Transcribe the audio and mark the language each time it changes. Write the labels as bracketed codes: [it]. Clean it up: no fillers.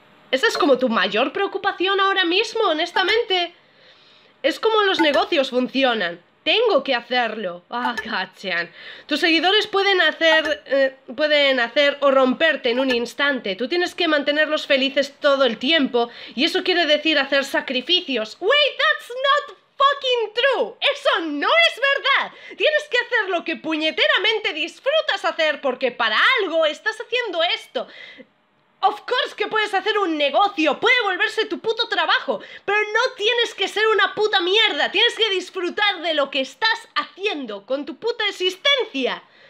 [es] Esa es como tu mayor preocupación ahora mismo, honestamente. Es como los negocios funcionan. Tengo que hacerlo. Ah, cachan. Tus seguidores pueden hacer o romperte en un instante. Tú tienes que mantenerlos felices todo el tiempo. Y eso quiere decir hacer sacrificios. [en] Wait, that's not fucking true. [es] Eso no es verdad. Tienes que hacer lo que puñeteramente disfrutas hacer. Porque para algo estás haciendo esto. [en] Of course [es] que puedes hacer un negocio, puede volverse tu puto trabajo, pero no tienes que ser una puta mierda, tienes que disfrutar de lo que estás haciendo con tu puta existencia.